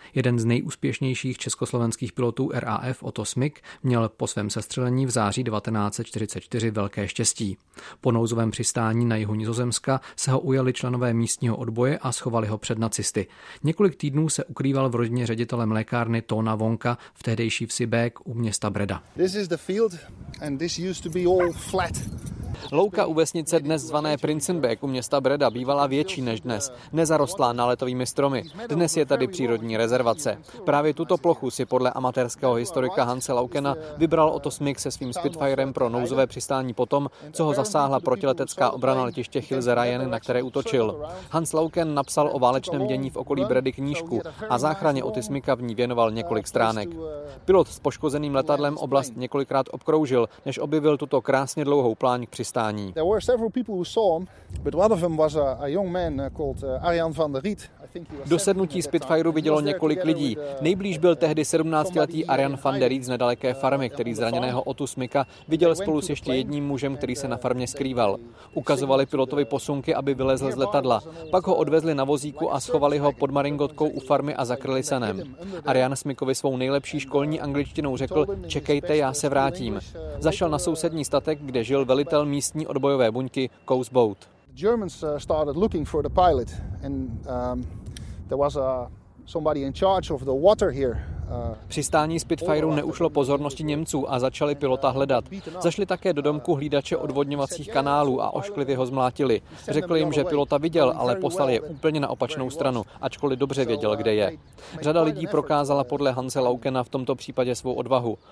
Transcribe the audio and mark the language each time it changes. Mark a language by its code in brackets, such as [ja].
[cs] Jeden z nejúspěšnějších československých pilotů RAF Otto Smyk měl po svém sestřelení v září 1944 velké štěstí. Po nouzovém přistání na jihu Nizozemska se ho ujali členové místního odboje a schovali ho před nacisty. Několik týdnů se ukrýval v rodině ředitele mlékárny Tóna Vonka v tehdejší vsi Bek u města Breda. [en] This is the field and this used to be all flat. [cs] Louka u vesnice dnes zvané Prinzenbeck u města Breda bývala větší než dnes. Nezarostlá náletovými stromy. Dnes je tady přírodní rezervace. Právě tuto plochu si podle amatérského historika Hanse Laukena vybral Otto Smyk se svým Spitfirem pro nouzové přistání potom, co ho zasáhla protiletecká obrana letiště Hilze Rajen, na které útočil. Hans Lauken napsal o válečném dění v okolí Bredy knížku a záchraně Otta Smyka v ní věnoval několik stránek. Pilot s poškozeným letadlem oblast několikrát obkroužil, než objevil tuto krásně dlouhou pláň přistání. [en] There were several people who saw him, but one of them was a young man called Arjan van der Riet. [cs] Do sednutí Spitfireu vidělo několik lidí. Nejblíž byl tehdy 17-letý Arjan van der Riet z nedaleké farmy, který zraněného Otta Smyka viděl spolu s ještě jedním mužem, který se na farmě skrýval. Ukazovali pilotovi posunky, aby vylezl z letadla. Pak ho odvezli na vozíku a schovali ho pod maringotkou u farmy a zakryli senem. Arjan Smykovi svou nejlepší školní angličtinou řekl: "Čekejte, já se vrátím." Zašel na sousední statek, kde žil velitel místní odbojové buňky Coast Boat. [en] Germans started looking for the pilot and there was somebody in charge of the water here. [cs] Přistání Spitfireu neušlo pozornosti Němců a začali pilota hledat. Zašli také do domku hlídače odvodňovacích kanálů a ošklivě ho zmlátili. Řekli jim, že pilota viděl, ale poslali je úplně na opačnou stranu, ačkoliv dobře věděl, kde je. Řada lidí prokázala podle Hanse Laukena v tomto případě svou odvahu.